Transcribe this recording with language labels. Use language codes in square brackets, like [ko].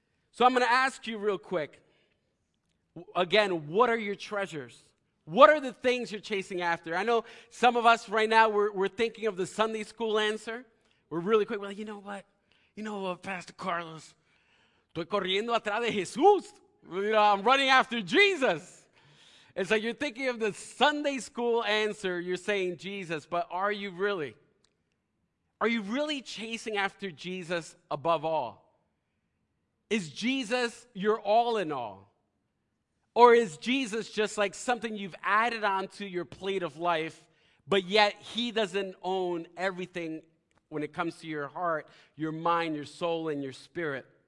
[en] So I'm going to ask you real quick, again, what are your treasures? What are the things you're chasing after? I know some of us right now, we're thinking of the Sunday school answer. We're really quick. We're like, you know what, Pastor Carlos? [es] Estoy corriendo atrás de Jesús. [en] I'm running after Jesus. It's like you're thinking of the Sunday school answer. You're saying Jesus, but are you really? Are you really chasing after Jesus above all? Is Jesus your all in all? Or is Jesus just like something you've added onto your plate of life, but yet he doesn't own everything when it comes to your heart, your mind, your soul, and your spirit?